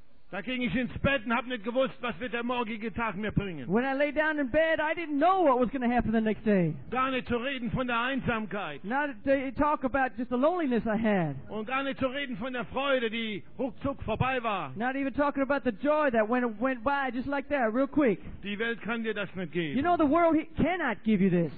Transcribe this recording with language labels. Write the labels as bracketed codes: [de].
[de] Da ging ich ins Bett und habe nicht gewusst, was wird der morgige Tag mir bringen. [en] When I lay down in bed, I didn't know what was going to happen the next day. [de] Gar nicht zu reden von der Einsamkeit. [en] Not to talk about just the loneliness I had. [de] Und gar nicht zu reden von der Freude, die ruckzuck vorbei war. [en] Not even talking about the joy that went by just like that, real quick. [de] Die Welt kann dir das nicht geben. [en] You know, the world cannot give you this.